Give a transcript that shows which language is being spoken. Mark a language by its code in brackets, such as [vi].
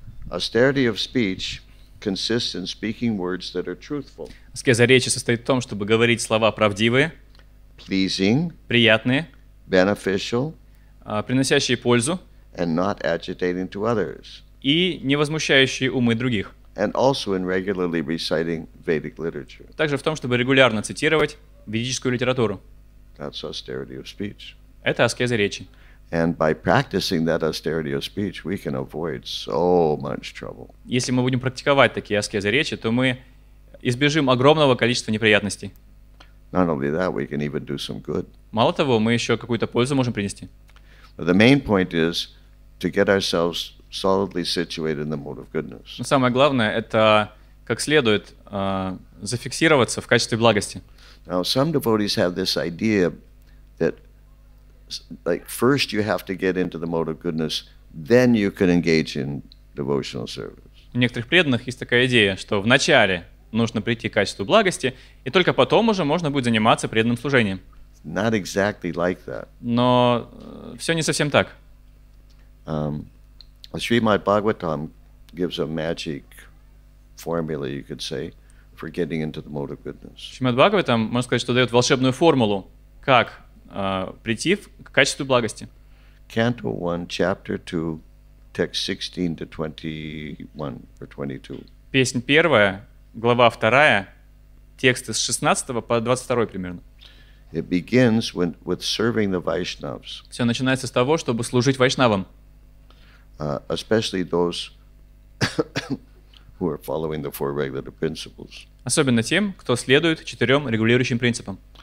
[en] Austerity of speech consists in speaking words that are truthful. [ru] Аскеза речи состоит в том, чтобы говорить слова правдивые, [en] pleasing, [ru] приятные, [en] beneficial, [ru] приносящие пользу, [en] and not agitating to others, [ru] и не возмущающие умы других. [en] And also in regularly reciting Vedic literature. [ru] Также в том, чтобы регулярно цитировать ведическую литературу. [en] That's austerity of speech. [ru] Это аскеза речи. [en] And by practicing that austerity of speech, we can avoid so much trouble. [ru] Если мы будем практиковать такие аскезы речи, то мы избежим огромного количества неприятностей. [en] Not only that, we can even do some good. [ru] Мало того, мы еще какую-то пользу можем принести. [en] But the main point is to get ourselves solidly situated in the mode of goodness. [ru] Но самое главное — это как следует зафиксироваться в качестве благости. [en] Now, some devotees have this idea that, like, first you have to get into the mode of goodness, then you can engage in devotional service. [ru] У некоторых преданных есть такая идея, что вначале нужно прийти к качеству благости, и только потом уже можно будет заниматься преданным служением. [en] Not exactly like that. [ru] Но все не совсем так. [en] Srimad Bhagavatam gives a magic formula, you could say, for getting into the mode of goodness. [ru] Srimad Bhagavatam, можно сказать, что дает волшебную формулу, как прийти к качеству благости. [en] Canto 1, chapter 2, text 16 to 21 or 22. [ru] Песнь первая, глава вторая, тексты с 16 по 22 примерно. [en] It begins with serving the Vaishnavas. [ru] Все начинается с того, чтобы служить Вайшнавам. [en] Especially those who are following the four regulative principles. [ru] Особенно тем, кто следует четырем регулирующим принципам.